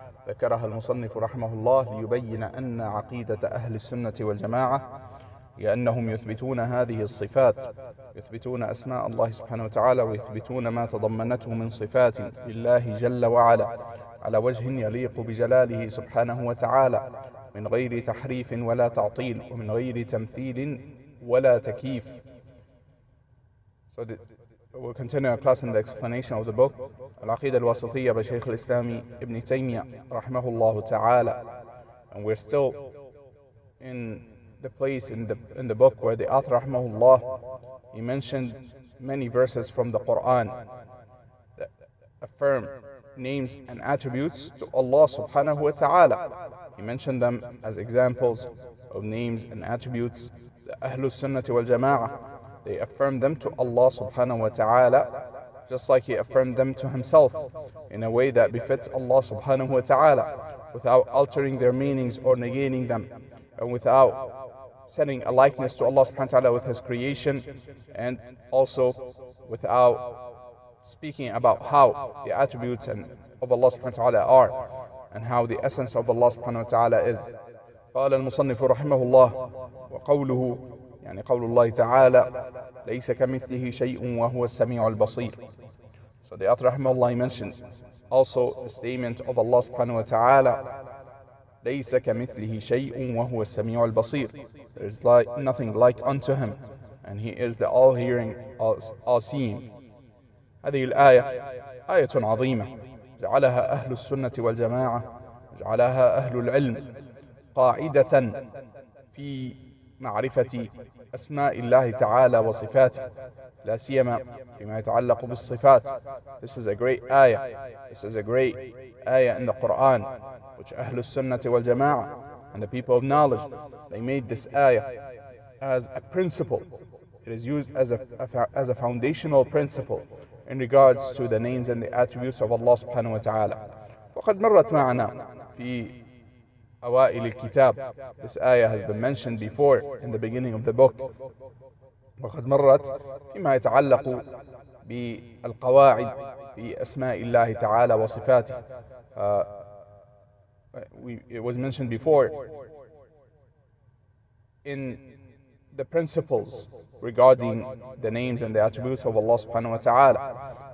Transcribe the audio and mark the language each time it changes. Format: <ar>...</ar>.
<ar>ذكرها المصنف رحمه الله ليبين أن عقيدة أهل السنة والجماعة هي أنهم يثبتون هذه الصفات، يثبتون أسماء الله سبحانه وتعالى، ويثبتون ما تضمنته من صفات لله جل وعلا على وجه يليق بجلاله سبحانه وتعالى، من غير تحريف ولا تعطيل، ومن غير تمثيل ولا تكييف.</ar> <en>We'll continue our class in the explanation of the book العقيدة الواسطية by شيخ الإسلام ابن تيمية رحمه الله تعالى. And we're still in the place in the book where the author رحمه الله, he mentioned many verses from the Quran that affirm names and attributes to Allah سبحانه وتعالى. He mentioned them as examples of names and attributes that أهل السنة والجماعة, they affirm them to Allah subhanahu wa ta'ala, just like he affirmed them to himself, in a way that befits Allah subhanahu wa ta'ala, without altering their meanings or negating them, and without setting a likeness to Allah subhanahu wa ta'ala with his creation, and also without speaking about how the attributes of Allah subhanahu wa ta'ala are, and how the essence of Allah subhanahu wa ta'ala is.</en> <ar>قال المصنف رحمه الله وقوله يعني قول الله تعالى ليس كمثله شيء وهو السميع البصير.</ar> <en>So the author رحمه الله mentioned also the statement of Allah سبحانه وتعالى</en> <ar>ليس كمثله شيء وهو السميع البصير.</ar> <en>There is nothing like unto him and he is the all hearing all seeing.</en> <ar>هذه الآية آية عظيمة جعلها أهل السنة والجماعة, جعلها أهل العلم قاعدة في معرفة أسماء الله تعالى وصفاته, لا سيما فيما يتعلق بالصفات.</ar> <en>This is a great ayah. This is a great ayah in the Quran, which أهل السنة والجماعة and the people of knowledge, they made this ayah as a principle. It is used as a foundational principle in regards to the names and the attributes of Allah سبحانه وتعالى.</en> <ar>وقد مرت معنا في أوائل الكتاب.</ar> <en>This ayah has been mentioned before in the beginning of the book.</en> <ar>وقد مرت فيما يتعلق بالقواعد في أسماء الله تعالى وصفاته.</ar> <en>It was mentioned before in the principles regarding the names and the attributes of Allah سبحانه وتعالى.</en>